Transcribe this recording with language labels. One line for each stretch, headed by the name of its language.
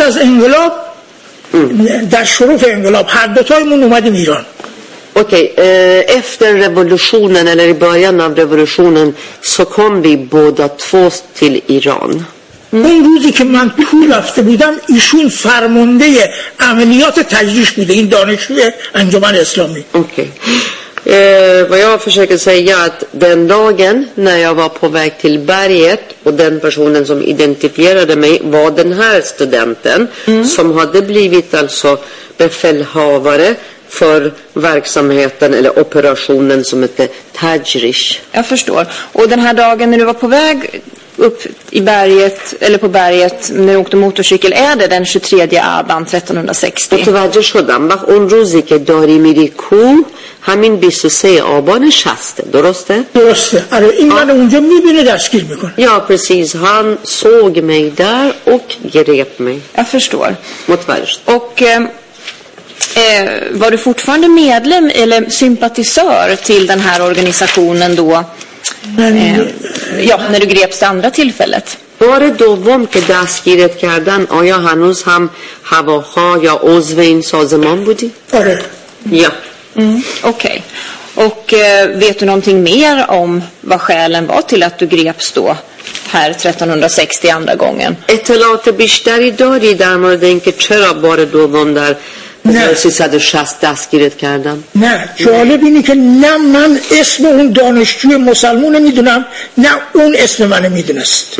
Persian: از انقلاب در شروف انقلاب هر دوتایمون اومدیم ایران.
Swedish: Okej, efter revolutionen eller i början av revolutionen så kom vi båda två till Iran.
Persian: اون روزی که من پول رفته بودم ایشون فرمانده عملیات تجریش بوده، این دانشجوی انجمن اسلامی.
Swedish: Okej. Vad jag försöker säga att den dagen när jag var på väg till berget och den personen som identifierade mig var den här studenten som hade blivit alltså befälhavare för verksamheten eller operationen som heter Tajrish. Jag förstår. Och den här dagen när du var på väg upp i berget eller på berget när du åkte motorcykel är det den 23 Aban 1360. Det var ju så där.
Persian: Och که داری میری کو همین 23 آبان 60 درسته؟ درسته. آره این من اونجا میبینه دستگیر میکنه.
Swedish: Ja precis. Han såg mig där och grep mig. Jag förstår. Motvärst. Och var du fortfarande medlem eller sympatisör till den här organisationen då? När du greps det andra tillfället. Var det dom
Persian: که دستگیرت کردن آیا هنوز هم هواخواه یا عضو این سازمان بودی؟ آره.
Swedish: Ja. Okej. Och vet du någonting mer om vad skälen var till att du greps då här 1360 andra gången?
Persian: اطلاعات بیشتری داری در مورد اینکه چرا بار دوم در 1360 دستگیرت کردم؟ نه. جالب اینه که نه من اسم اون دانشجوی مسلمون میدونم نه اون اسم من میدونست.